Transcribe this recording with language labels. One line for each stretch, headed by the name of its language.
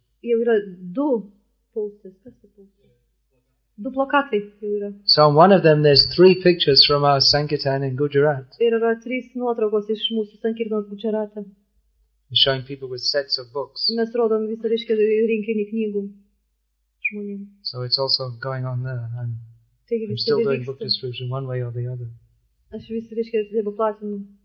Lithuanian: Jau yra du posters. Kas tai posters? Du plakatai jau yra.
English: So on one of them there's three pictures from our Sankirtan in Gujarat.
Lithuanian: Ir yra trys nuotraukos iš mūsų Sankirtanos Gujarate.
English: Showing people with sets of books.
Lithuanian: Mes rodom visą, reiškia, rinkinį knygų žmonėm.
English: So it's also going on there. And I'm still doing book distribution one way or the other.
Lithuanian: Aš vis, reiškia, dėbu platinu.